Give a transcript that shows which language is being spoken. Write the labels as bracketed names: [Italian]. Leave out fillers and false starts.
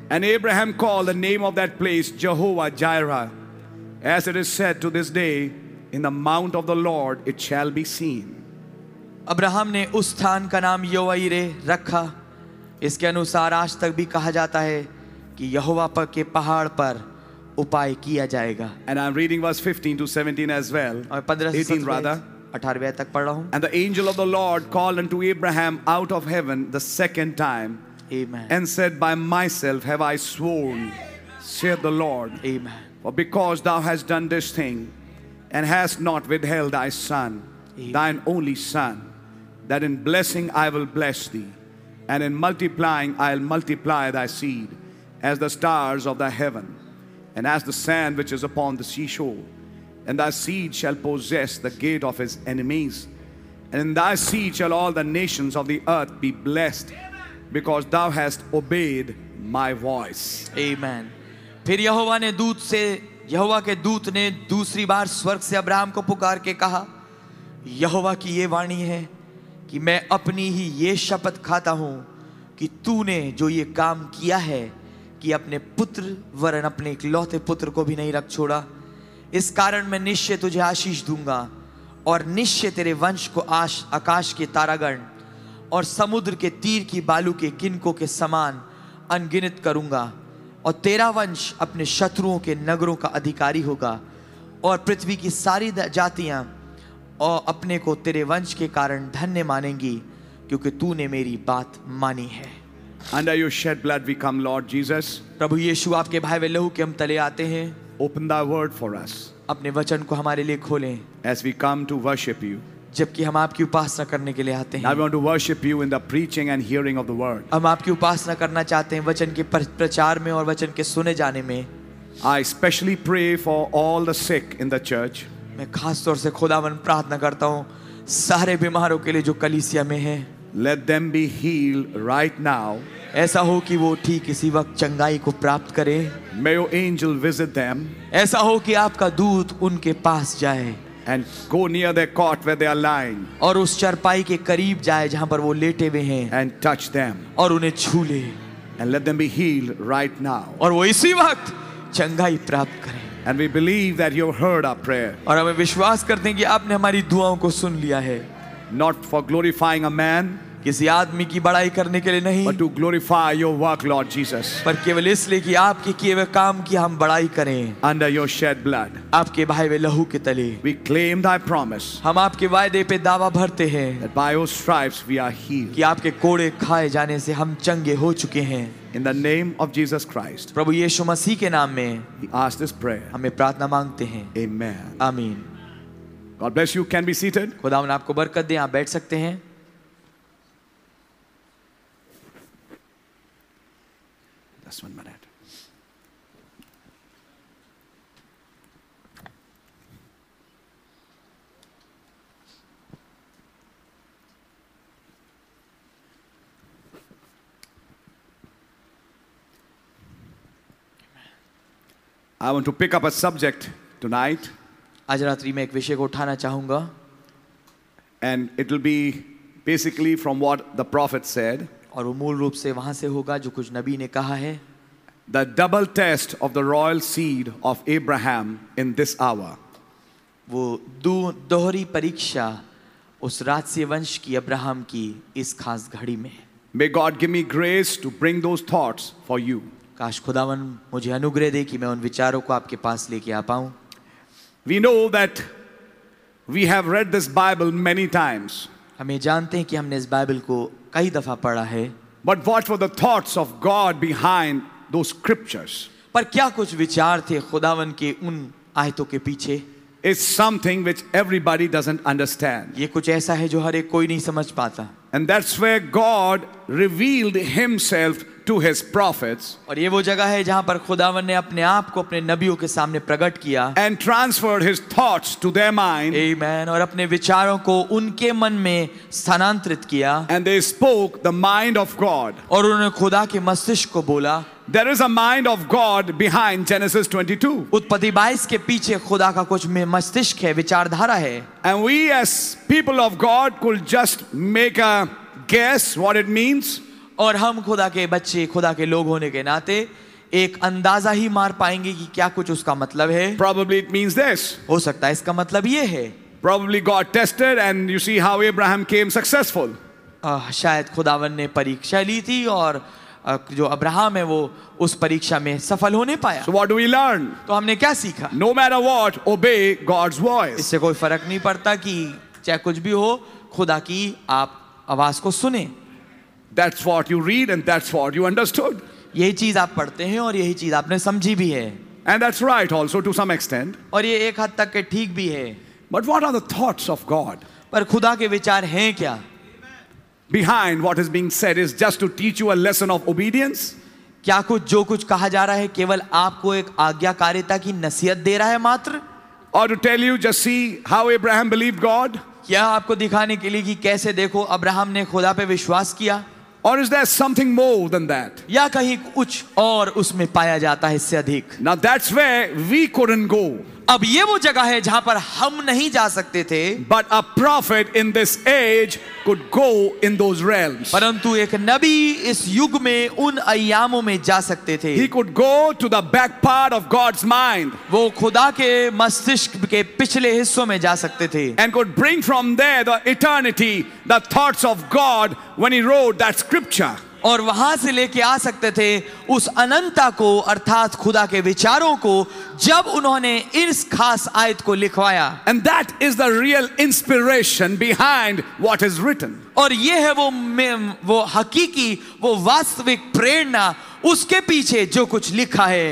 [English] And Abraham called the name of that place Jehovah Jireh as it is said to this day in the mount of the Lord it shall be seen. [Hindi] Abraham ने उस स्थान का नाम यहोवाइरे रखा। इसके अनुसार आज तक भी कहा जाता है कि यहोवा पर के पहाड़ पर उपाय किया जाएगा। [English] And I'm reading verse 15 to 17 as well. 18 rather. [Hindi] 18वें तक पढ़ रहा हूँ। [English] And the angel of the Lord called unto Abraham out of heaven the second time. Amen. And said, By myself have I sworn, saith the Lord. Amen. For because thou hast done this thing, and hast not withheld thy son, Amen. Thine only son, that in blessing I will bless thee, and in multiplying I'll multiply thy seed, as the stars of the heaven. And as the sand which is upon the seashore, and thy seed shall possess the gate of his enemies, and in thy seed shall all the nations of the earth be blessed, because thou hast obeyed my voice. Amen. [Hindi] फिर यहोवा ने दूत से यहोवा के दूत ने दूसरी बार स्वर्ग से अब्राहम को पुकार के कहा, यहोवा की ये वाणी है कि मैं अपनी ही ये शपथ खाता हूँ कि तूने जो ये काम किया है कि अपने पुत्र वरन अपने इकलौते पुत्र को भी नहीं रख छोड़ा, इस कारण मैं निश्चय तुझे आशीष दूंगा और निश्चय तेरे वंश को आकाश के तारागण और समुद्र के तीर की बालू के गिनकों के समान अनगिनत करूंगा और तेरा वंश अपने शत्रुओं के नगरों का अधिकारी होगा और पृथ्वी की सारी जातियां और अपने को तेरे वंश के कारण धन्य मानेंगी क्योंकि तूने मेरी बात मानी है। [English] Under your shed blood we come, Lord Jesus. [Hindi] प्रभु यीशु आपके भाई लहू के हम तले आते हैं। [English] Open thy word for us. [Hindi] अपने वचन को हमारे लिए खोलें। [English] As we come to worship you. [Hindi] जबकि हम आपकी उपासना करने के लिए आते हैं। [English] Now we want to worship you in the preaching and hearing of the word. [Hindi] हम आपकी उपासना करना चाहते हैं वचन के प्रचार में और वचन के सुने जाने में। [English] I specially pray for all the sick in the church. [Hindi] मैं खास तौर से खुदावन प्रार्थना करता हूँ सारे बीमारों के लिए जो कलीसिया में हैं। [English] Let them be healed right now. [Hindi] ऐसा हो कि वो ठीक इसी वक्त चंगाई को प्राप्त करें। [English] May your angel visit them. [Hindi] ऐसा हो कि आपका दूत उनके पास जाए। [English] And go near their cot where they are lying. [Hindi] और उस चरपाई के करीब जाए जहां पर वो लेटे हुए हैं। [English] And touch them. [Hindi] और उन्हें छू ले। [English] And let them be healed right now. [Hindi] और वो इसी वक्त चंगाई प्राप्त करें। [English] And we believe that you have heard our prayer. [Hindi] और हमें विश्वास करते हैं कि आपने हमारी दुआओं को सुन लिया है। [English] Not for glorifying a man. [Hindi] किसी आदमी की बड़ाई करने के लिए नहीं [English] but to glorify your work Lord Jesus [Hindi] पर केवल इसलिए कि आपके किए हुए काम की हम बड़ाई करें [English] under your shed blood [Hindi] आपके बहाए हुए लहू के तले [English] we claim thy promise [Hindi] हम आपके वायदे पे दावा भरते हैं [English] that by your stripes we are healed [Hindi] कि आपके कोड़े खाए जाने से हम चंगे हो चुके हैं [English] in the name of Jesus Christ [Hindi] प्रभु यीशु मसीह के नाम में [English] we ask this prayer [Hindi] हमें प्रार्थना मांगते हैं [English] amen [Hindi] आमीन [English] God bless you can be seated [Hindi] खुदावन आपको बरकत दे आप बैठ सकते हैं [English] Just 1 minute. Amen. I want to pick up a subject tonight. [Hindi] आज रात्रि मैं एक विषय को उठाना चाहूंगा. [English] And it will be basically from what the prophet said. [Hindi] और वो मूल रूप से वहां से होगा जो कुछ नबी ने कहा है. [English] The double test of the royal seed of Abraham in this hour. [Hindi] वो दोहरी परीक्षा उस राजसी वंश की अब्राहम की इस खास घड़ी में. [English] May God give me grace to bring those thoughts for you. [Hindi] काश खुदावन मुझे अनुग्रह दे कि मैं उन विचारों को आपके पास लेके आ पाऊं. [English] We know that we have read this Bible many times. [Hindi] हमें जानते हैं कि हमने इस बाइबल को कई दफा पढ़ा है. [English] But what were the thoughts of God behind? Those scriptures. [Hindi] पर क्या कुछ विचार थे खुदावन के उन आयतों के पीछे? [English] It's something which everybody doesn't understand. [Hindi] ये कुछ ऐसा है जो हर एक कोई नहीं समझ पाता. [English] And that's where God revealed Himself to His prophets. [Hindi] और ये वो जगह है जहाँ पर खुदावन ने अपने आप को अपने नबियों के सामने प्रकट किया. [English] And transferred His thoughts to their mind. Amen. [Hindi] और अपने विचारों को उनके मन में स्थानांतरित किया. [English] And they spoke the mind of God. [Hindi] और उन्होंने खुदा के मस्तिष्क को बोला. [English] There is a mind of God behind Genesis 22. [Hindi] उत्पत्ति 22 के पीछे खुदा का कुछ मस्तिष्क है, विचारधारा है. [English] And we as people of God could just make a guess what it means. [Hindi] और हम खुदा के बच्चे, खुदा के लोग होने के नाते एक अंदाजा ही मार पाएंगे कि क्या कुछ उसका मतलब है. [English] Probably it means this. [Hindi] हो सकता है इसका मतलब ये है. [English] Probably God tested and you see how Abraham came successful. [Hindi] शायद खुदावन ने परीक्षा ली थी और जो अब्राहम है वो उस परीक्षा में सफल होने पाया. [English] So what do we learn? [Hindi] तो हमने क्या सीखा? [English] No matter what, obey God's voice. [Hindi] इससे कोई फर्क नहीं पड़ता कि चाहे कुछ भी हो, खुदा की आप आवाज को सुने. [English] That's what you read and that's what you understood. [Hindi] यही चीज आप पढ़ते हैं और यही चीज आपने समझी भी है. [English] And that's right also to some extent. [Hindi] और ये एक हद तक के ठीक भी है. [English] But what are the thoughts of God? [Hindi] पर खुदा के विचार हैं क्या? [English] Behind what is being said is just to teach you a lesson of obedience. [Hindi] क्या कुछ जो कुछ कहा जा रहा है केवल आपको एक आज्ञाकारिता की नसीहत दे रहा है मात्र? [English] Or to tell you just see how Abraham believed God? [Hindi] क्या आपको दिखाने के लिए कि कैसे देखो अब्राहम ने खुदा पे विश्वास किया? [English] Or is there something more than that? [Hindi] या कहीं कुछ और उसमें पाया जाता है इससे अधिक? [English] Now that's where we couldn't go. [Hindi] अब ये वो जगह है जहां पर हम नहीं जा सकते थे. [English] But a prophet in this age could go in those realms. [Hindi] परंतु एक नबी इस युग में उन आयामों में जा सकते थे. [English] He could go to the back part of God's mind. [Hindi] वो खुदा के मस्तिष्क के पिछले हिस्सों में जा सकते थे. [English] And could bring from there the eternity, the thoughts of God when He wrote that scripture. [Hindi] और वहां से लेके आ सकते थे उस अनंतता को अर्थात खुदा के विचारों को जब उन्होंने इस खास आयत को लिखवाया. [English] And that is the real inspiration behind what is written. [Hindi] और ये है वो हकीकी, वो वास्तविक प्रेरणा उसके पीछे जो कुछ लिखा है.